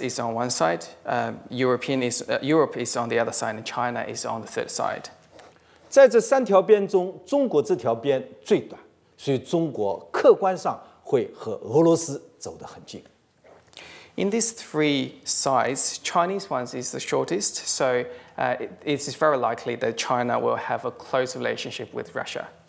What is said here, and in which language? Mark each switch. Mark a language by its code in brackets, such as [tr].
[en] is on one side, Europe is on the other side, and China is on the third side. [zh] 在这三条边中，中国这条边最短，所以中国客观上会和俄罗斯走得很近。 [en] In these three sides, Chinese ones is the shortest, so it is very likely that China will have a close relationship with Russia.